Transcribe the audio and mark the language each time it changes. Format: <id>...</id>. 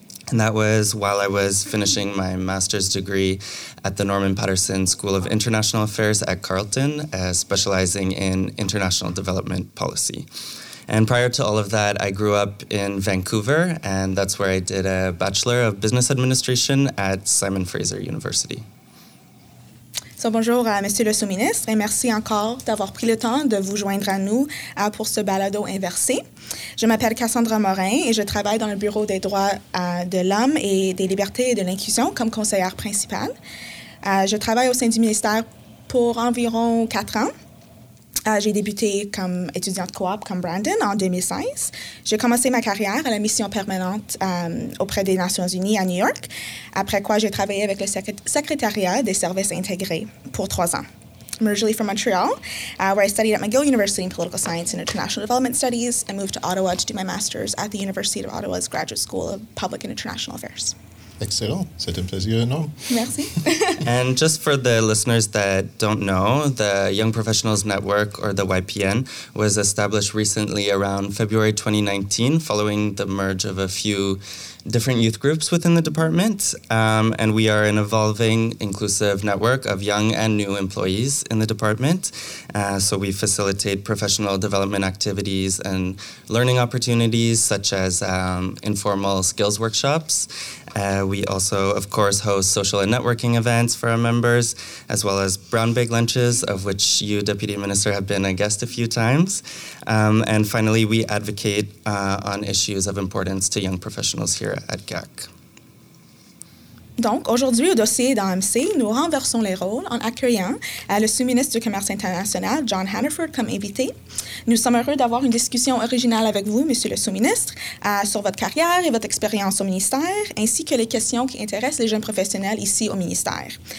<en>And that was while I was finishing my master's degree at the Norman Patterson School of International Affairs at Carleton, specializing in international development policy. And prior to all of that, I grew up in Vancouver, and that's where I did a Bachelor of Business Administration at Simon Fraser University.</en> <fr>So, bonjour, Monsieur le sous-ministre, et merci encore d'avoir pris le temps de vous joindre à nous pour ce balado inversé. Je m'appelle Cassandra Morin et je travaille dans le Bureau des droits de l'homme et des libertés et de l'inclusion comme conseillère principale. Je travaille au sein du ministère pour environ 4 ans. J'ai débuté comme étudiante coop comme Brandon en 2016. J'ai commencé ma carrière à la mission permanente auprès des Nations Unies à New York, après quoi j'ai travaillé avec le secrétariat des services intégrés pour 3 ans.</fr> <en>I'm originally from Montreal, where I studied at McGill University in Political Science and International Development Studies and moved to Ottawa to do my master's at the University of Ottawa's Graduate School of Public and International Affairs.</en> <fr>Excellent. C'est un plaisir énorme. Merci.</fr> <en>And just for the listeners that don't know, the Young Professionals Network, or the YPN, was established recently around February 2019, following the merge of a few different youth groups within the department. And we are an evolving, inclusive network of young and new employees in the department. So we facilitate professional development activities and learning opportunities, such as informal skills workshops. We also, of course, host social and networking events for our members, as well as brown bag lunches, of which you, Deputy Minister, have been a guest a few times. And finally, we advocate on issues of importance to young professionals here at GAC.</en> <fr>Donc, aujourd'hui, au dossier d'AMC, nous renversons les rôles en accueillant le sous-ministre du Commerce international, John Hannaford, comme invité. Nous sommes heureux d'avoir une discussion originale avec vous, Monsieur le sous-ministre, sur votre carrière et votre expérience au ministère, ainsi que les questions qui intéressent les jeunes professionnels ici au ministère.</fr>